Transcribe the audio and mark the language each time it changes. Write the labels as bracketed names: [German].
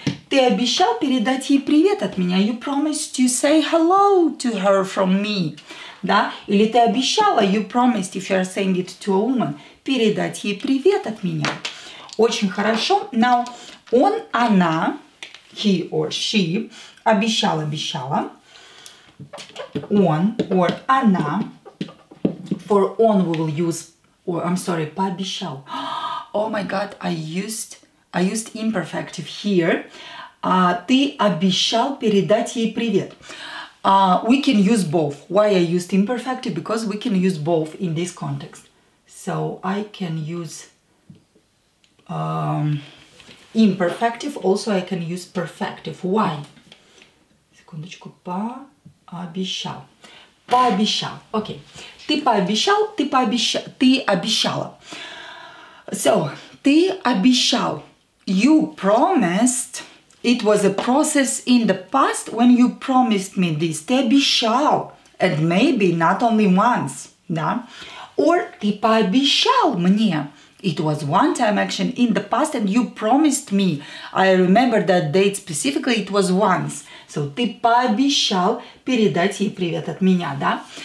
[Russian] Ты обещал передать ей привет от меня. [English] You promised to say hello to her from me. [Russian] Да? Или ты обещала, [English] you promised, if you are saying it to a woman, [Russian] передать ей привет от меня. Очень хорошо. [English] Now, [Russian] он, она, [English] he or she, [Russian] обещал, обещала. [English] Он or она. For on we will use, or I'm sorry, пообещал. Oh my God, I used imperfective here. [Russian] Ты обещал передать ей привет. [English] We can use both. Why I used imperfective? Because we can use both in this context. So I can use imperfective, also I can use perfective. Why? [Russian] Секундочку. Пообещал. Пообещал. Окей. Ты пообещал, ты пообещал, ты обещала. [English] So, [Russian] ты обещал. [English] You promised. It was a process in the past when you promised me this. [Russian] Ты обещал. [English] And maybe not only once. [Russian] Да? [English] Or [Russian] ты пообещал мне. [English] It was one time action in the past and you promised me. I remember that date specifically. It was once. So, [Russian] ты пообещал передать ей привет от меня, да?